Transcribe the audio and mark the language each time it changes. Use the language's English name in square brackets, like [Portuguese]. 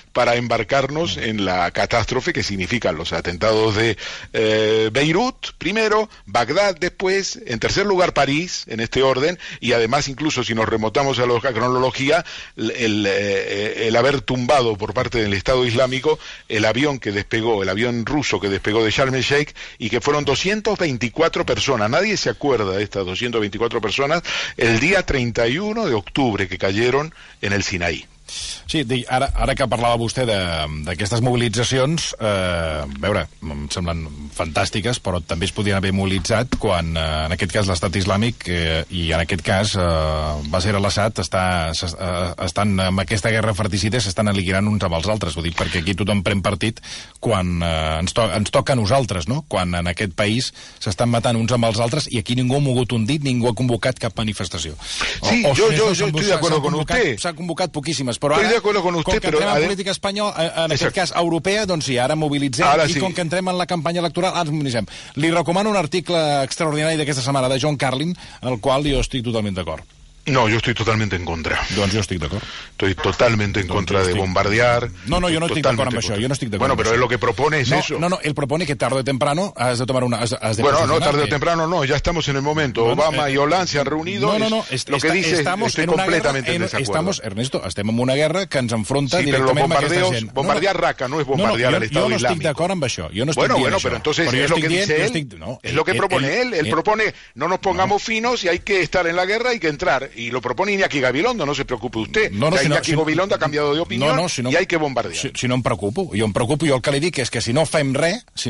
[Spanish] para embarcarnos en la catástrofe que significan los atentados de Beirut, primero, Bagdad después, en tercer lugar París, en este orden, y además incluso si nos remontamos a la cronología, el haber tumbado por parte del Estado Islámico el avión que despegó, el avión ruso que despegó de Sharm el Sheikh, y que fueron 224 personas, nadie se acuerda de estas 224 personas, el día 31 de octubre que cayeron en el Sinaí. [Catalan] Sí, ara que parlava vostè d'aquestes mobilitzacions, veure, em semblen fantàstiques, però també es podien haver mobilitzat quan, en aquest cas, l'Estat Islàmic, i en aquest cas Bashar al-Assad, estan amb aquesta guerra fratricida, s'estan aliquirant uns amb els altres. Ho dic perquè aquí tothom pren partit quan ens toca a nosaltres, no? Quan en aquest país s'estan matant uns amb els altres i aquí ningú ha mogut un dit, ningú ha convocat cap manifestació. S'ha convocat poquíssim. Però ara, política espanyola, en aquest cas europea, doncs sí, ara mobilitzem, ara sí. I com que entrem en la campanya electoral, ara ens mobilitzem. Li recomano un article extraordinari d'aquesta setmana, de John Carlin, en el qual jo estic totalment d'acord. [Spanish] No, yo estoy totalmente en contra. [Catalan] Doncs jo estic d'acord. [Spanish] Estoy totalmente en contra de bombardear. No, yo no estoy [Catalan] d'acord amb això. [Spanish] Yo no estoy d'acord. Bueno, pero es lo que propone es eso. No, él propone que tarde o temprano has de tomar una... Bueno, no, tarde o temprano no, ya estamos en el momento. Obama y Hollande se han reunido. No, lo que dice, estoy completamente en desacuerdo. [Catalan] Estamos, Ernesto, estem en una guerra que ens enfronta directament amb aquesta gent. [Spanish] Bombardear Raqqa no es bombardear al Estado Islámico. Yo no estoy [Catalan] d'acord amb això. [Spanish] Bueno, pero entonces es lo que dice él. Es lo que propone él. Él propone no nos pongamos finos y hay que estar en la guerra, hay que entrar. Y lo propone Iñaki Gabilondo, no se preocupe usted. Gabilondo ha cambiado de opinión y hay que bombardear. [Catalan] Si no em preocupo, [Spanish] yo el que le digo es que [Catalan] si no fem re,